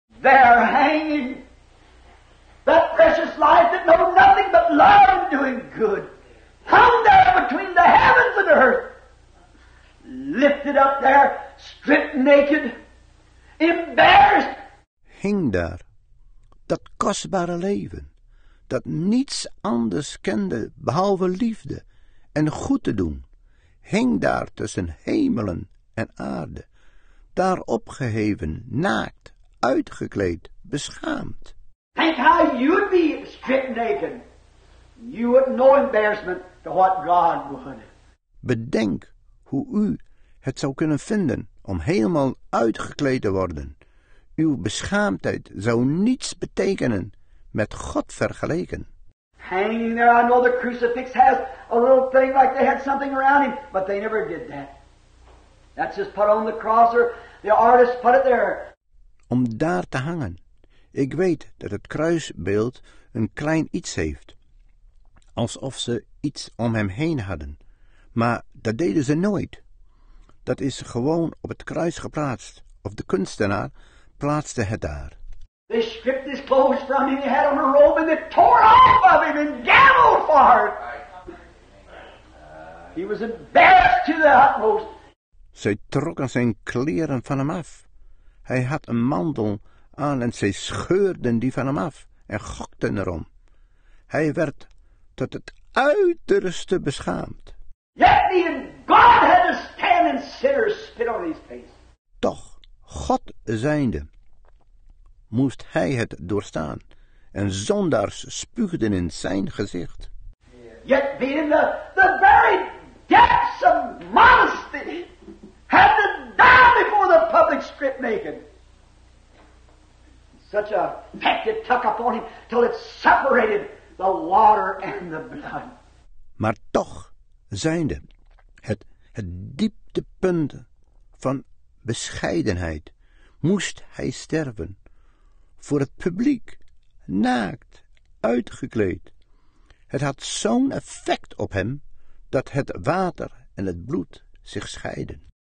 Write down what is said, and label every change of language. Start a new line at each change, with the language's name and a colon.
English: They're hanging that precious life that knows nothing but love and doing good. Hung there between the heavens and earth. Lifted up there, stripped naked, embarrassed.
Dutch: Hing daar, dat kostbare leven, dat niets anders kende behalve liefde en goed te doen, hing daar tussen hemelen en aarde, daar opgeheven, naakt, uitgekleed, beschaamd.
English: Think how you'd be stripped naked. You would no embarrassment to what God would.
Dutch: Bedenk hoe u het zou kunnen vinden om helemaal uitgekleed te worden. Uw beschaamdheid zou niets betekenen met God vergeleken.
English: Hanging there, I know the crucifix has a little thing like they had something around him, but they never did that. That's just put on the cross or the artist put it there.
Dutch: Om daar te hangen. Ik weet dat het kruisbeeld een klein iets heeft. Alsof ze iets om hem heen hadden. Maar dat deden ze nooit. Dat is gewoon op het kruis geplaatst. Of de kunstenaar plaatste het daar.
English: They stripped his clothes from him. He had on a robe and they tore off of him and gambled for it. He was embarrassed to the utmost.
Dutch: Zij trokken zijn kleren van hem af. Hij had een mantel aan en zij scheurden die van hem af en gokten erom. Hij werd tot het uiterste beschaamd.
English: Yet even God had to stand and sinners spit on his face.
Dutch: Toch, God zijnde, moest hij het doorstaan en zondaars spuugden in zijn gezicht.
English: Yet being the very depths of modesty had to die before the public strip naked. Such a fact it took upon him till it separated the water and the blood.
Dutch: Maar toch zijnde het dieptepunt van bescheidenheid moest hij sterven voor het publiek, naakt, uitgekleed. Het had zo'n effect op hem dat het water en het bloed zich scheiden.